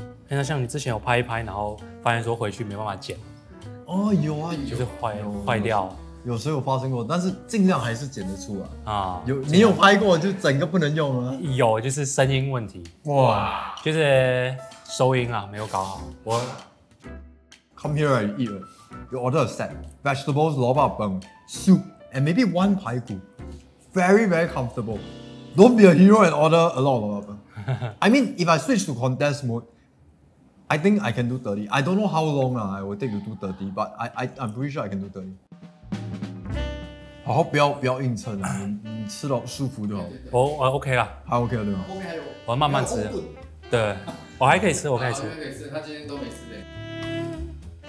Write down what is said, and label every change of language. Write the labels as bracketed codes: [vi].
[zh] 哎，那像你之前有拍一拍，然后发现说回去没办法剪。哦，有啊，就是坏掉。有时候有发生过，但是尽量还是剪得出来啊。有，你有拍过就整个不能用了。有，就是声音问题。哇，就是收音啊，没有搞好。我 [en] come here and eat. You order a set, vegetables, 萝卜饭 soup, and maybe one 排骨 Very, very comfortable. Don't be a hero and order a lot of 萝卜饭 I mean, if I switch to contest mode, I think I can do 30. I don't know how long I will take to do 30, but I'm pretty sure I can do 30. [zh] 好好，不要硬撑啊，你吃到舒服就好。我OK 了，还 OK 了对吗？后面还有，我要慢慢吃。对，我还可以吃，我可以吃。可以吃，他今天都没吃的。